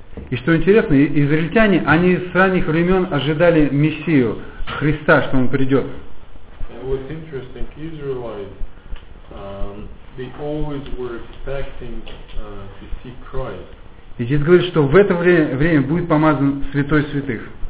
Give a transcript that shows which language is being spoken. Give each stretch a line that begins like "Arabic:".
Russian: И что интересно, израильтяне, они с ранних времен ожидали Мессию, Христа, что он придет.
English: And what's interesting, Israelites, they always were expecting to see Christ.
Russian: И здесь говорит, что в это время будет помазан Святой Святых.